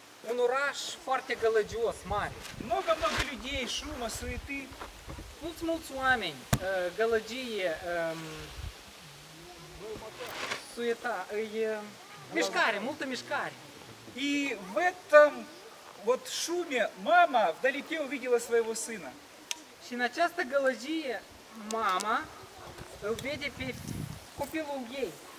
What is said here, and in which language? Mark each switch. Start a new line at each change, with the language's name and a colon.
Romanian: Un oraș foarte gălăgios, mare.
Russian: Много-много людей, шума, суеты.
Romanian: Mulți-mulți oameni, gălăgie, суета, мешкари, multă мешкари.
Russian: И в этом вот шуме мама вдалеке увидела своего сына.
Romanian: Și în această gălăgie mama îl vede pe copilul ei.